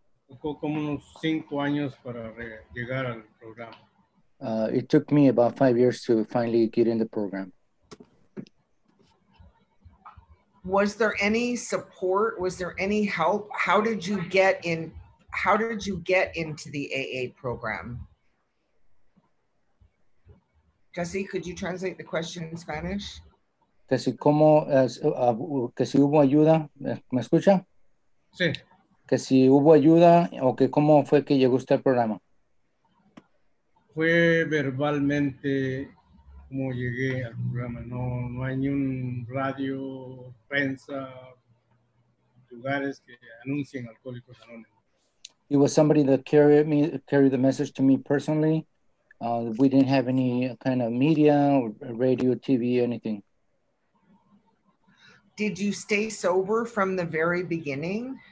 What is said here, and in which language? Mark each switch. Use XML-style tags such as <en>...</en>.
<es>Tocó como unos 5 años para llegar al programa.</es> <en>It took me about 5 years to finally get in the program. Was there any support? Was there any help? How did you get in? How did you get into the AA program? Jesse, could you translate the question in Spanish?</en> <es>Que si como que si hubo ayuda, ¿me escucha? Sí. Que si hubo ayuda o que cómo fue que llegó usted al programa. Fue verbalmente. Como llegué al programa, no hay ni un radio, prensa, lugares que anuncien Alcohólicos Anónimos.</es> <en>It was somebody that carried the message to me personally. We didn't have any kind of media or radio, TV, anything. Did you stay sober from the very beginning?</en>